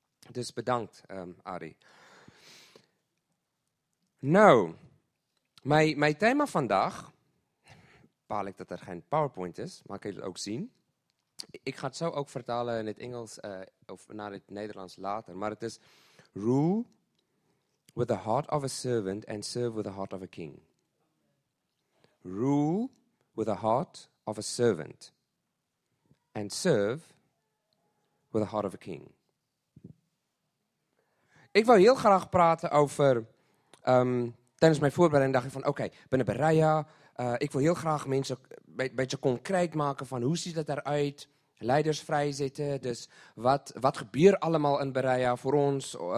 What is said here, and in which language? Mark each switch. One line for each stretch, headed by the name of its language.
Dutch: Dus bedankt, Arie. Nou, mijn thema vandaag, bepaal ik dat er geen PowerPoint is, maar kan je het ook zien. Ik ga het zo ook vertalen in het Engels of naar het Nederlands later. Maar het is
English: rule with the heart of a servant and serve with the heart of a king. Rule with the heart of a servant and serve with the heart of a king.
Dutch: Ik wou heel graag praten over, tijdens mijn voorbereiding dacht ik van, oké, ik ben een Berea. Ik wil heel graag mensen een beetje concreet maken van, hoe ziet dat eruit? Leiders vrij zitten, dus wat gebeurt allemaal in Berea voor ons?